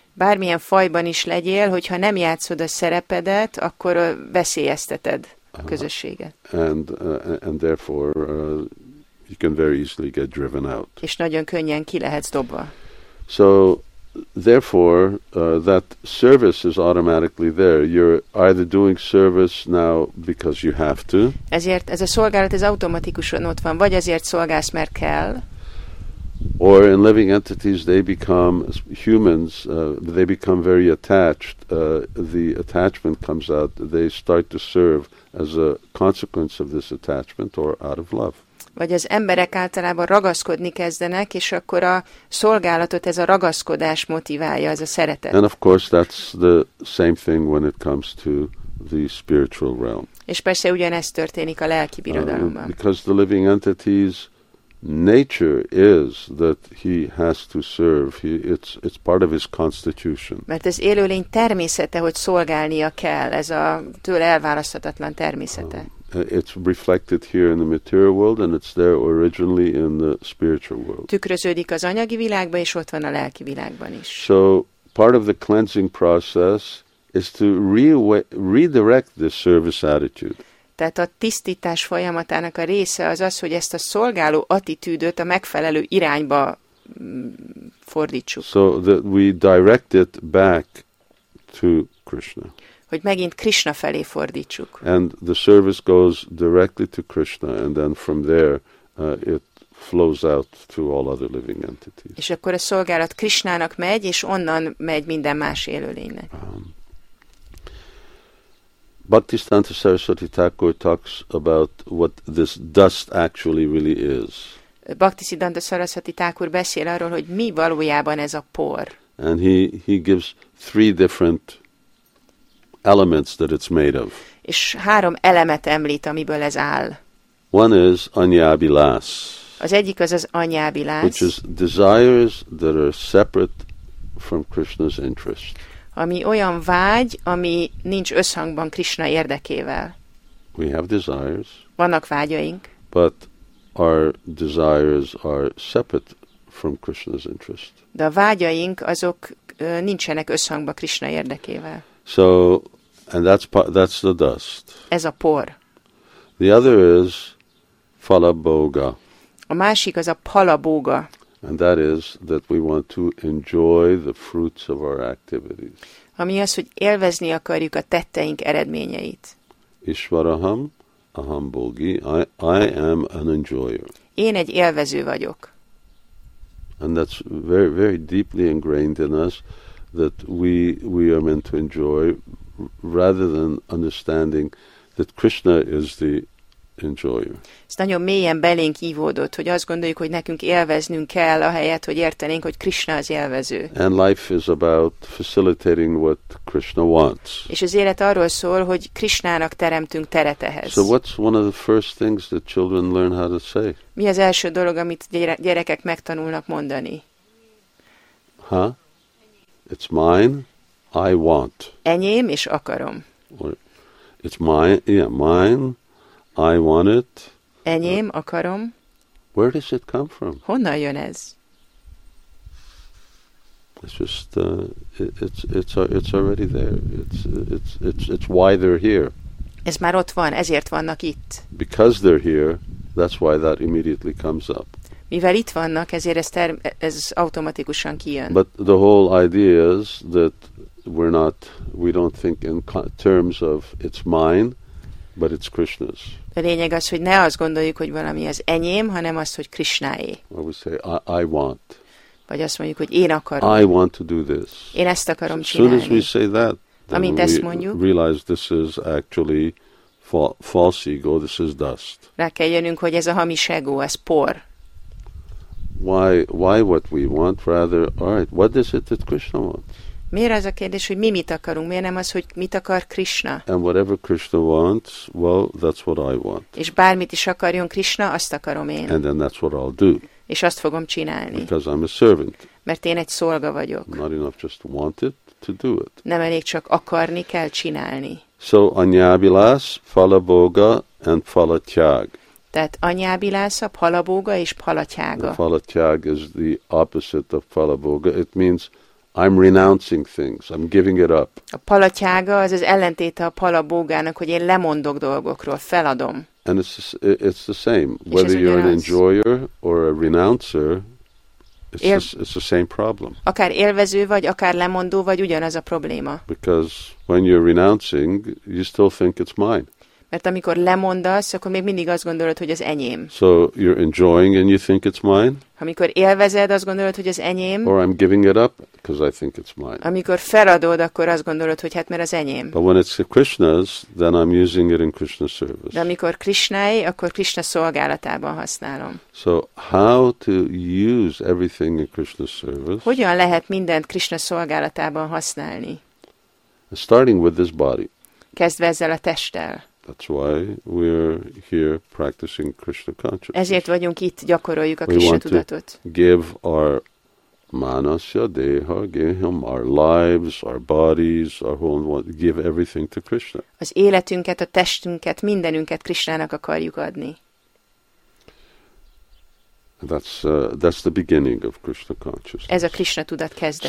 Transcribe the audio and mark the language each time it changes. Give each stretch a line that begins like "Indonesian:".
Hungarian: Bármilyen fajban is legyél, hogyha nem játszod a szerepedet, akkor veszélyezteted a közösséget.
English: And therefore you can very easily get driven out.
Hungarian: És nagyon könnyen ki lehetsz dobva.
English: So therefore that service is automatically there. You're either doing service now because you have to.
Hungarian: Ezért ez a szolgálat ez automatikusan ott van, vagy azért szolgálsz, mert kell.
English: Or in living entities, they become humans. They become very attached. The attachment comes out. They start to serve as a consequence of this attachment, or out of love.
Hungarian: Vagy az emberek általában ragaszkodni kezdenek, és akkor a szolgálatot ez a ragaszkodás motiválja, ez a szeretet.
English: And of course, that's the same thing when it comes to the spiritual realm.
Hungarian: És persze ugyanezt történik a lelki birodalomban.
English: Because the living entities. Nature is that he has to serve. It's part of his constitution.
Hungarian: Mert ez élőlény természete, hogy szolgálnia kell. Ez a tőle elválaszthatatlan természete.
English: It's reflected here in the material world, and it's there originally in the spiritual world.
Hungarian: Tükröződik az anyagi világban, és ott van a lelki világban is.
English: So part of the cleansing process is to redirect this service attitude.
Hungarian: Tehát a tisztítás folyamatának a része az az, hogy ezt a szolgáló attitűdöt a megfelelő irányba fordítsuk.
English: So that we direct it back to Krishna.
Hungarian: Hogy megint Krishna felé fordítsuk.
English: And the service goes directly to Krishna, and then from there it flows out to all other living entities.
Hungarian: És akkor a szolgálat Krishnának megy, és onnan megy minden más élőlénynek.
English: Bhaktisiddhanta Saraswati Thakur talks about what this dust actually really is.
Hungarian: Bhaktisiddhanta Saraswati Thakur beszél arról, hogy mi valójában ez a por.
English: And he gives three different elements that it's made of.
Hungarian: És három elemet említ, amiből ez áll.
English: One is anyábilás.
Hungarian: Az egyik az az anyábilás.
English: Which is desires that are separate from Krishna's interest.
Hungarian: Ami olyan vágy, ami nincs összhangban Krishna érdekével.
English: We have desires.
Hungarian: Vannak vágyaink.
English: But our desires are separate from Krishna's interest.
Hungarian: De a vágyaink azok nincsenek összhangban Krishna érdekével.
English: So, and that's the dust.
Hungarian: Ez a por.
English: The other is phalabhoga.
Hungarian: A másik az a phalabhoga.
English: And that is that we want to enjoy the fruits of our activities.
Hungarian: Ami az, hogy élvezni akarjuk a tetteink eredményeit.
Sanskrit: Ishvaraham, aham bhogi,
English: I am an enjoyer.
Hungarian: Én egy élvező vagyok.
English: And that's very, very deeply ingrained in us that we are meant to enjoy rather than understanding that Krishna is the enjoyer.
Hungarian: Ez nagyon mélyen belénk ívódott, hogy azt gondoljuk, hogy nekünk élveznünk kell, ahelyett, hogy értenénk, hogy Krishna az élvező.
English: And life is about facilitating what Krishna wants.
Hungarian: És az élet arról szól, hogy Krishnának teremtünk teret ehhez.
English: So what's one of the first things that children learn how to say?
Hungarian: Mi az első dolog, amit gyerekek megtanulnak mondani?
English: Huh? It's mine, I want.
Hungarian: Enyém és akarom.
English: Or, it's mine, yeah, mine, I want it.
Hungarian: Enyém, akarom.
English: Where does it come from?
Hungarian: Honnan jön ez?
English: It's just it's already there. It's why they're here.
Hungarian: Ez már ott van, ezért vannak itt.
English: Because they're here, that's why that immediately comes up.
Hungarian: Mivel itt vannak, ezért ez automatikusan kijön.
English: But the whole idea is that we don't think in terms of it's mine, but it's Krishna's.
Hungarian: A lényeg az, hogy ne azt gondoljuk, hogy valami az enyém, hanem azt, hogy Krishnáé.
English: Or we say, I want.
Hungarian: Vagy azt mondjuk, hogy én akarom.
English: I want to do this.
Hungarian: Én ezt akarom csinálni.
English: As soon as we say that,
Hungarian: amint ezt mondjuk,
English: realize this is actually false ego, this is dust.
Hungarian: Rá kell jönnünk, hogy ez a hamis ego, ez por.
English: Why what we want, rather, all right, what is it that Krishna wants?
Hungarian: Miért az a kérdés, hogy mi mit akarunk? Miért nem az, hogy mit akar Krishna?
English: And whatever Krishna wants, well, that's what I want.
Hungarian: És bármit is akarjon Krishna, azt akarom én.
English: And then that's what I'll do.
Hungarian: És azt fogom csinálni.
English: Because I'm a servant.
Hungarian: Mert én egy szolga vagyok.
English: Not enough just to want it, to do it.
Hungarian: Nem elég csak akarni, kell csinálni.
English: So anyábilás, phalabhoga and phalatyag.
Hungarian: Tehát anyábilás, phalabhoga és phalatyaga.
English: Phalatyag is the opposite of phalabhoga. It means I'm renouncing things. I'm giving it up.
Hungarian: A palatyága az ellentéte a palabógának, hogy én lemondok dolgokról, feladom.
English: And it's the same. Whether you're an enjoyer or a renouncer, it's the same problem.
Hungarian: Akár élvező vagy, akár lemondó vagy, ugyanaz a probléma.
English: Because when you're renouncing, you still think it's mine.
Hungarian: Mert amikor lemondasz, akkor még mindig azt gondolod, hogy az enyém.
English: So you're enjoying and you think it's mine?
Hungarian: Amikor élvezed, azt gondolod, hogy az enyém.
English: Or I'm giving it up because I think it's mine.
Hungarian: Amikor feladod, akkor azt gondolod, hogy hát mert az enyém.
English: But when it's Krishna's, then I'm using it in Krishna's service.
Hungarian: De amikor Krishna-i, akkor Krishna szolgálatában használom.
English: So how to use everything in Krishna's service?
Hungarian: Hogyan lehet mindent Krishna szolgálatában használni?
English: Starting with this body.
Hungarian: Kezdve ezzel a testtel.
English: That's why we're here practicing Krishna consciousness.
Hungarian: Ezért vagyunk itt, gyakoroljuk a Krishna tudatot.
English: We want to give our manasya, deha, give him our lives, our bodies, our whole, give everything to Krishna.
Hungarian: Az életünket, a testünket, mindenünket Krishnának akarjuk adni.
English: That's the beginning of Krishna consciousness.
Hungarian: Ez a Krishna tudat kezdete.